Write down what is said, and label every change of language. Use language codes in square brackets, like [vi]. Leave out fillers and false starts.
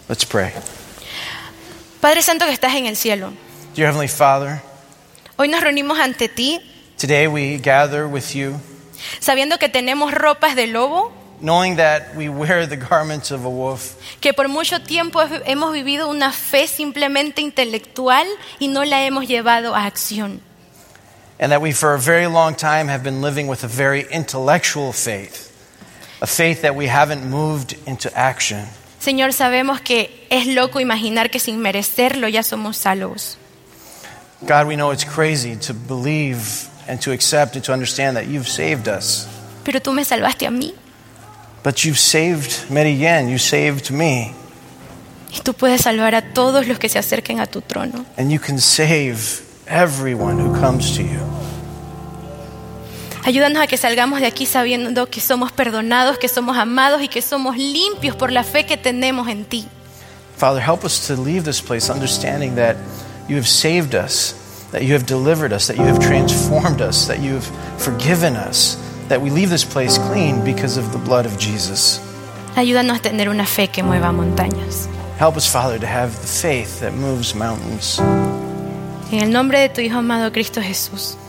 [en] Let's pray. [es] Padre Santo que estás en el cielo. [en] Dear Heavenly Father. [es] Hoy nos reunimos ante ti. [en] Today we gather with you. [es] Sabiendo que tenemos ropas de lobo. [en] Knowing that we wear the garments of a wolf. [es] Que por mucho tiempo hemos vivido una fe simplemente intelectual y no la hemos llevado a acción. [en] And that we for a very long time have been living with a very intellectual faith. A faith that we haven't moved into action. [es] Señor, sabemos que es loco imaginar que sin merecerlo ya somos salvos. [en] God, we know it's crazy to believe and to accept and to understand that you've saved us. [es] Pero tú me salvaste a mí. [en] But you've saved Marianne, you saved me. [es] Y tú puedes salvar a todos los que se acerquen a tu trono. [en] And you can save everyone who comes to you. [es] Ayúdanos a que salgamos de aquí sabiendo que somos perdonados, que somos amados y que somos limpios por la fe que tenemos en ti. [en] Father, help us to leave this place understanding that you have saved us, that you have delivered us, that you have transformed us, that you have forgiven us, that we leave this place clean because of the blood of Jesus. [es] Ayúdanos a tener una fe que mueva montañas. [en] Help us, Father, to have the faith that moves mountains. [es] En el nombre de tu Hijo amado Cristo Jesús.